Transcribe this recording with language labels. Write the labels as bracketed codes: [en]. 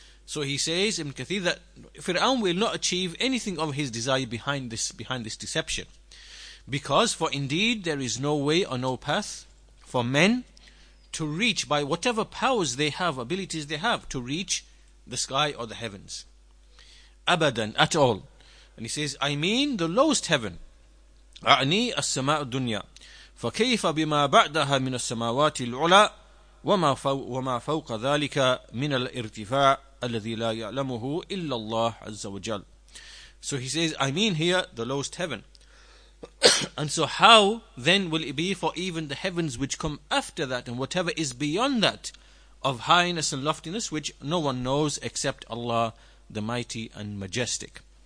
[en] So he says, Ibn Kathir, that Fir'aun will not achieve anything of his desire behind this deception. Because for indeed there is no way or no path for men to reach, by whatever powers they have, abilities they have, to reach the sky or the heavens. Abadan, at all. And he says, I mean the lowest heaven. [ar] أعني السماء الدنيا فكيف بما بعدها من السماوات العلى وما فوق ذلك من الارتفاع الذي لا يعلمه إلا الله عز وجل. [en] So he says, I mean here the lowest heaven. And so how then will it be for even the heavens which come after that and whatever is beyond that of highness and loftiness which no one knows except Allah the Mighty and Majestic.